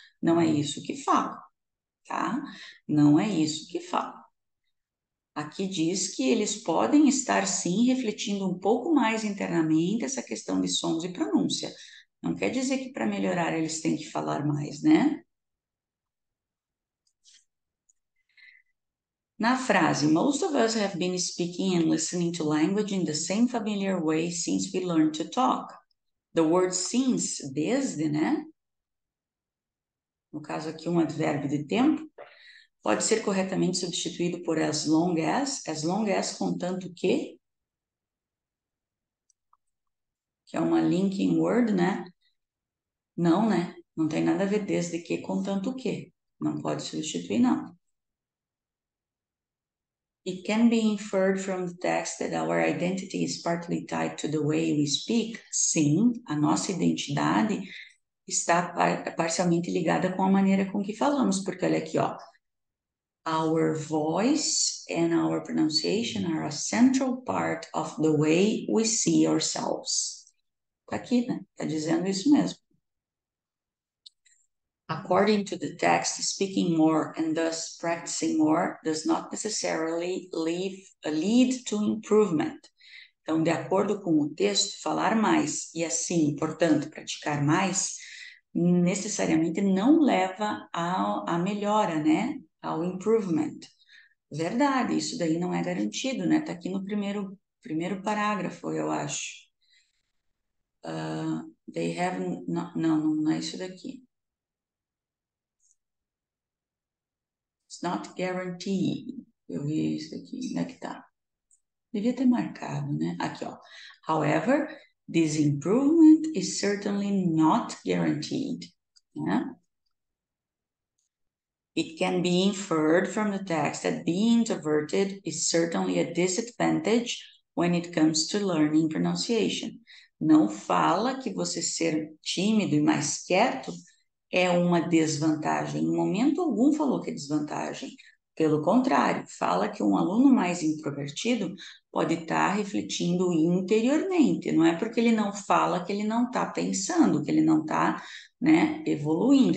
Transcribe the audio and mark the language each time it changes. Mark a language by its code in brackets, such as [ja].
[pt] Não é isso que falo, tá? Não é isso que falo. Aqui diz que eles podem estar sim refletindo um pouco mais internamente essa questão de sons e pronúncia. Não quer dizer que para melhorar eles têm que falar mais, né? Na frase, [en] "Most of us have been speaking and listening to language in the same familiar way since we learned to talk." The word since, [pt] desde, né? No caso aqui, um advérbio de tempo. Pode ser corretamente substituído por [en] as long as [pt] contanto que é uma linking word, né? Não, né? Não tem nada a ver desde que contanto que. Não pode substituir, não. [en] It can be inferred from the text that our identity is partly tied to the way we speak. [pt] Sim, a nossa identidade está parcialmente ligada com a maneira com que falamos, porque olha aqui, ó. [en] Our voice and our pronunciation are a central part of the way we see ourselves. [pt] Tá aqui, né? Tá dizendo isso mesmo. [en] According to the text, speaking more and thus practicing more does not necessarily lead to improvement. [pt] Então, de acordo com o texto, falar mais e assim, portanto, praticar mais, necessariamente não leva à melhora, né? Ao improvement. Verdade, isso daí não é garantido, né? Tá aqui no primeiro parágrafo, eu acho. [en] They have. [pt] Não, não é isso daqui. [en] It's not guaranteed. [pt] Eu vi isso aqui. Onde é que tá? Devia ter marcado, né? Aqui, ó. [en] However, this improvement is certainly not guaranteed. [pt] Né? [en] It can be inferred from the text that being introverted is certainly a disadvantage when it comes to learning pronunciation. [pt] Não fala que você ser tímido e mais quieto é uma desvantagem. Em momento algum falou que é desvantagem. Pelo contrário, fala que um aluno mais introvertido pode estar refletindo interiormente. Não é porque ele não fala que ele não está pensando, que ele não está, né, evoluindo.